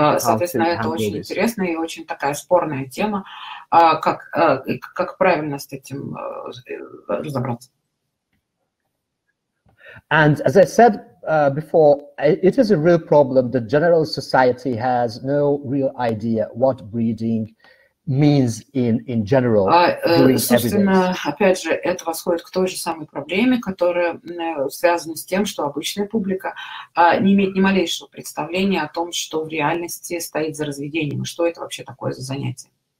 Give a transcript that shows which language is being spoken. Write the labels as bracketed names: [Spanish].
[Russian] Соответственно, это очень интересная и очень такая спорная тема. Как правильно с этим разобраться? [English] And as I said before, it is a real problem. The general society has no real idea what breeding means in general. [Russian] Собственно, опять же, это восходит к той же самой проблеме, которая связана с тем, что обычная публика не имеет ни малейшего представления о том, что в реальности стоит за разведением, и что это вообще такое за занятие.